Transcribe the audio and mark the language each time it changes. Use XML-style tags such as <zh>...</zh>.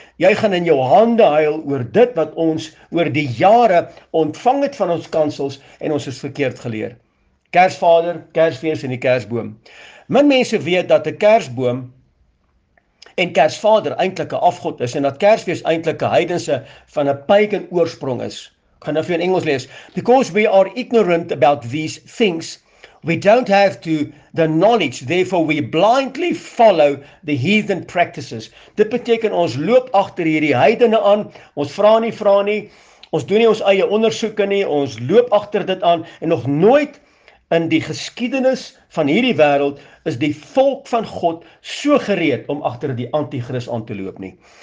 <af>Jy gaan in jou hande huil oor dit wat ons oor die jare ontvang het van ons kansels en ons is verkeerd geleer. Kersvader, Kersfees en die Kersboom. Min mense weet dat 'n Kersboom en Kersvader eintlik 'n afgod is en dat Kersfees eintlik 'n heidense van 'n pagan oorsprong is. Kan nou vir in Engels lees.</af> <en>Because we are ignorant about these things, we don't have to the knowledge, therefore we blindly follow the heathen practices.</en> <af>Dit beteken ons loop agter hierdie heidene aan, ons vra nie, ons doen nie ons eie ondersoeke nie, ons loop agter dit aan en nog nooit in die geskiedenis van hierdie wêreld is die volk van God so gereed om agter die anti-kris aan te loop nie.</af>